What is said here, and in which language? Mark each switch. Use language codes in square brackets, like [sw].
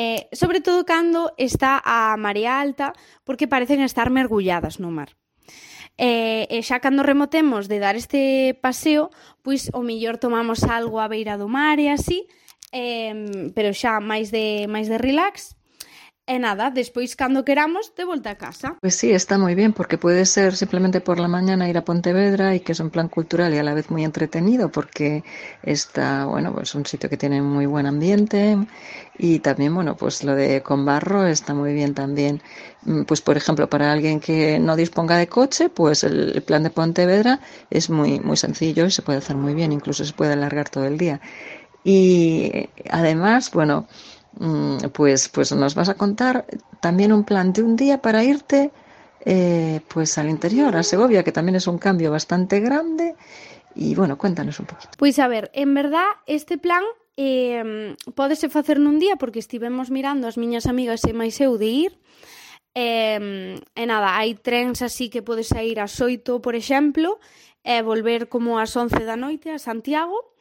[gl] Sobre todo cando está a marea alta, porque parecen estar mergulladas no mar. E xa cando rematemos de dar este paseo, pois o mellor tomamos algo á beira do mar e así, pero xa máis de relax. E nada, despois cando queramos, de volta a casa. [es] Pues sí, está muy bien, porque puede ser simplemente por la mañana ir a Pontevedra, y que es un plan cultural y a la vez muy entretenido, porque está, bueno, pues un sitio que tiene muy buen ambiente. Y también, bueno, pues lo de Combarro está muy bien también. Pues, por ejemplo, para alguien que no disponga de coche, pues el plan de Pontevedra es muy, muy sencillo y se puede hacer muy bien, incluso se puede alargar todo el día. Y además, bueno, pues nos vas a contar también un plan de un día para irte, pues al interior, a Segovia, que también es un cambio bastante grande. Y bueno, cuéntanos un poquito. [gl] Pois a ver, en verdad este plan pódese facer nun día porque estivemos mirando as miñas amigas e máis eu de ir. E nada, hai trens así que podes sair ás 8, por exemplo, e volver como ás 11 da noite a Santiago.